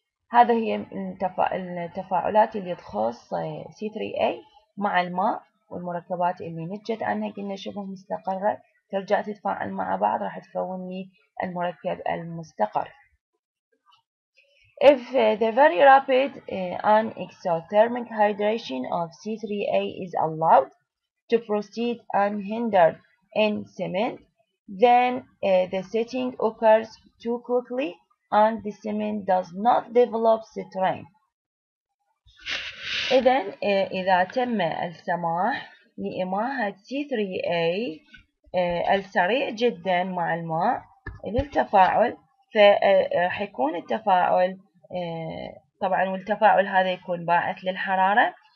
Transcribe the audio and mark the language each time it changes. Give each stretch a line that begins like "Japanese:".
Arabic: هذا هي التفاعلات اللي تخص C3A مع الماء والمركبات اللي نجت عنها قلنا شبه مستقرة ترجع تتفاعل مع بعض راح تكون لي المركب المستقر.
English: If the very rapid and exothermic hydration of C3A is allowed to proceed unhindered in cement, then the setting occurs too quickly and the cement does not develop strength.
Arabic: إذن إذا تم السماح لإماحة C3A السريع جدا مع الماء للتفاعل فراح يكون التفاعل طبعا والتفاعل هذا يكون باعث للحرارة